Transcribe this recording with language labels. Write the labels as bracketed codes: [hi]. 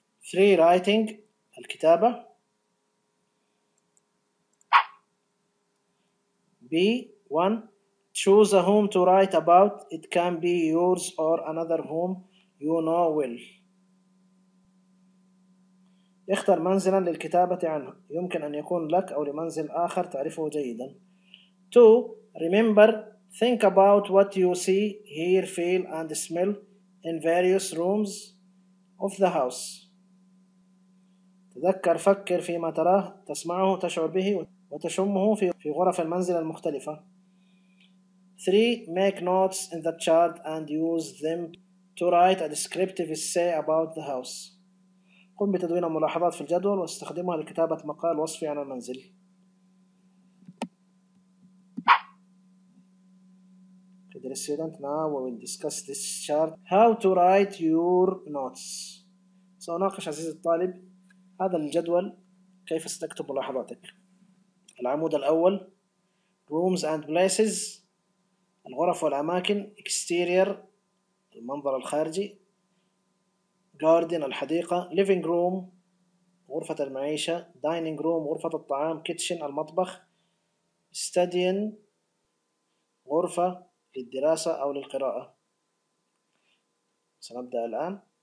[en] Free writing, الكتابة. B. 1. Choose a home to write about. It can be yours or another home you know well. [ar] اختر منزلا للكتابة عنه. يمكن أن يكون لك أو لمنزل آخر تعرفه جيدا. [en] 2. Remember, think about what you see, hear, feel and smell in various rooms of the house. [ar] تذكر فكر فيما تراه تسمعه تشعر به وتشمه في غرف المنزل المختلفة. [en] 3. Make notes in the chart and use them to write a descriptive essay about the house. [ar] قم بتدوين ملاحظات في الجدول واستخدمها لكتابة مقال وصفي عن المنزل. [en] The student now we will discuss this chart. How to write your notes. [ar] سأناقش عزيزي الطالب هذا الجدول كيف ستكتب ملاحظاتك. العمود الأول [en] Rooms and Places [ar] الغرف والأماكن Exterior المنظر الخارجي Garden الحديقة [en] Living Room [ar] غرفة المعيشة [en] Dining Room [ar] غرفة الطعام Kitchen المطبخ Studying غرفة للدراسة أو للقراءة. سنبدأ الآن.